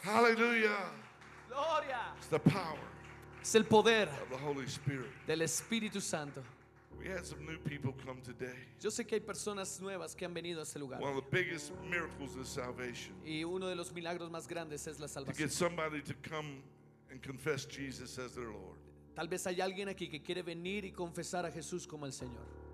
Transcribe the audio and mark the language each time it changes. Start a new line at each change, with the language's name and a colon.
Spanish: Hallelujah. Gloria.
English: It's the power.
Spanish: Es el poder
English: of the Holy Spirit.
Spanish: Del Espíritu Santo.
English: We had some new people come today.
Spanish: Yo sé que hay personas nuevas que han venido a este lugar.
English: One of the biggest miracles is salvation.
Spanish: Y uno de los milagros más grandes es la salvación.
English: To get somebody to come and confess Jesus as their Lord.
Spanish: Tal vez hay alguien aquí que quiere venir y confesar a Jesús como el Señor.